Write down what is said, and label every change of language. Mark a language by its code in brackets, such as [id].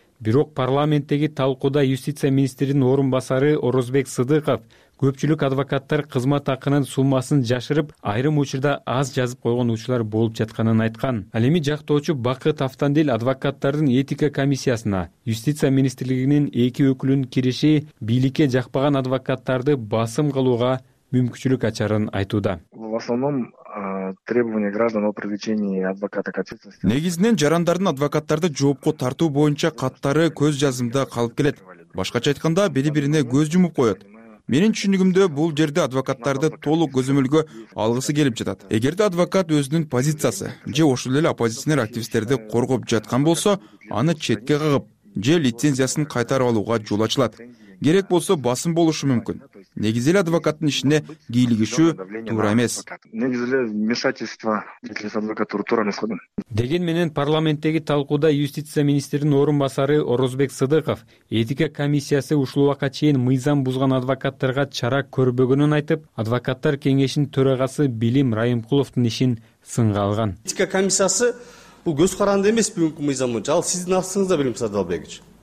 [ky] Бирок парламенттеги талкууда юстиция министринин орун басары Орозбек Сыдыков көпчүлүк адвокаттар кызмат акынын суммасын жашырып, айрым учурда аз жазып койгон учурлар болуп жатканын айткан. Ал эми жактоочу Бакыт Автандил адвокаттардын этика комиссиясына юстиция министрлигинин эки өкүлүнүн кириши бийликке жакпаган адвокаттарды басым кылууга мүмкүнчүлүк ачарын айтууда. [ru] В основном требования граждан о привлечении адвоката к ответственности. [ky] Негизинен жарандардын адвокаттарды жоопко тартуу боюнча каттары көз жазымда калып келет. Башкача айтканда, бири-бирине көз жумуп коёт. Менин түшүнүгүмдө бул жерде адвокаттарды толук көзөмөлгө алгысы келип жатат. Эгерде адвокат өзүнүн позициясы же ошол эле оппозиционер активисттерди коргоп жаткан болсо, аны четке кагып, же лицензиясын кайтарып алууга жол ачылат. Керек болсо басым болушу мүмкүн. Негизи эле адвокаттын ишине кийлигишүү туура эмес. Негизи эле [ru] вмешательство адвокатуру [ky] туура эмес. Деген менен парламенттеги талкууда юстиция министринин орун басары Орозбек Сыдыков этика комиссиясы ушул убакка чейин мыйзам бузган адвокаттарга чара көрбөгөнүн айтып, адвокаттар кеңешинин төрагасы Билим Райымкуловдун ишин сынга алган. Этика комиссиясы бул көз каранды эмес бүгүнкү мыйзам боюнча, ал сиздин асыңызда билим Сардалбекович.